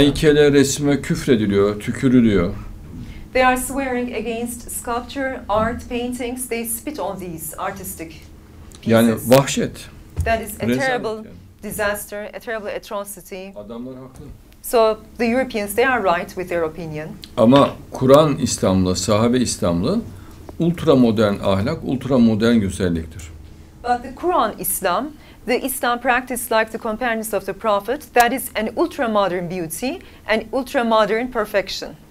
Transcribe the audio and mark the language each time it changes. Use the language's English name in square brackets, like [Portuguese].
[Turkish] Heykele, resme küfrediliyor, tükürülüyor. [English] They are swearing against sculpture, art, paintings. They spit on these artistic pieces. [Turkish] Yani vahşet. [English] That is a terrible disaster, a terrible atrocity. [Turkish] Adamlar haklı. [English] So the Europeans, they are right with their opinion. [Turkish] Ama Kur'an İslamlı, sahabe İslamlı ultra modern ahlak, ultra modern güzelliktir. [English] But the Quran Islam, the Islam practice like the companions of the Prophet, that is an ultra modern beauty and ultra modern perfection.